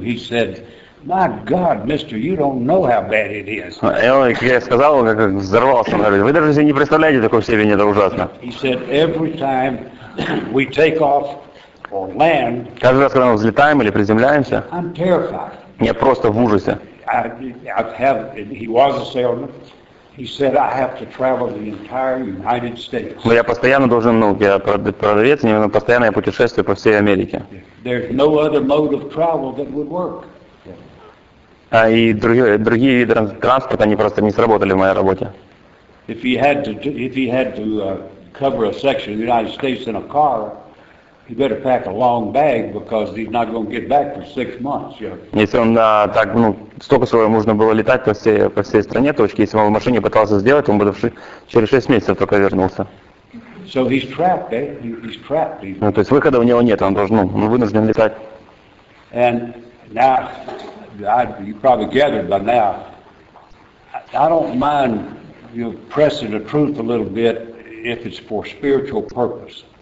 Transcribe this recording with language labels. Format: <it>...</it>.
<en>He said, "My God, Mister, you don't know how bad it is."</en> <ru>Я сказал, как взорвался, говорит, вы даже себе не представляете, такой степени это ужасно.</ru> <en>He said, "Every time we take off or land."</en> <ru>Каждый раз, когда мы взлетаем или приземляемся.</ru> <en>I'm terrified.</en> <ru>Я просто в ужасе.</ru> <en>He was a salesman. He said, "I have to travel the entire United States."</en> <ru>Но я постоянно должен, ну, я продавец, мне нужно постоянное путешествие по всей Америке.</ru> <en>There's no other mode of travel that would work.</en> <ru>А и другие виды транспорта они просто не сработали в моей работе.</ru> <en>If he had to cover a section of the United States in a car. He better pack a long bag because he's not going to get back for 6 months.</en> <ru>Если он так, ну, столько всего можно было летать по всей стране, точки, если он в машине пытался сделать, он бы через 6 месяцев только вернулся.</ru> <en>So he's trapped, eh? He's trapped.</en> <ru>Ну, то есть выхода у него нет, он должен, ну, вынужден летать.</ru> <en>And now, you probably gathered by now, I don't mind you pressing the truth a little bit if it's for spiritual purpose.</en>